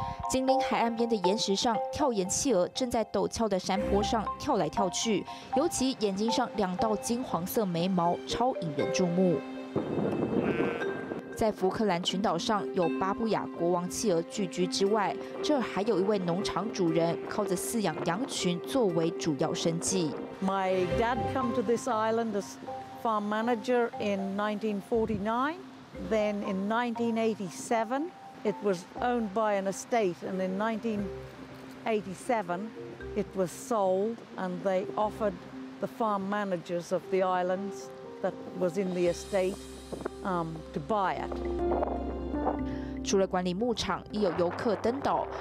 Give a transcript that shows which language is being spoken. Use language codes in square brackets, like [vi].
[zh] 紧邻海岸边的岩石上，跳岩企鹅正在陡峭的山坡上跳来跳去，尤其眼睛上两道金黄色眉毛超引人注目。在福克兰群岛上有巴布亚国王企鹅聚居之外，这儿还有一位农场主人靠着饲养羊群作为主要生计。 [en] My dad came to this island as farm manager in 1949. Then in 1987, it was owned by an estate, and in 1987, it was sold, and they offered the farm managers of the islands that was in the estate. To buy it. [zh] 除了管理牧场，亦有游客登岛。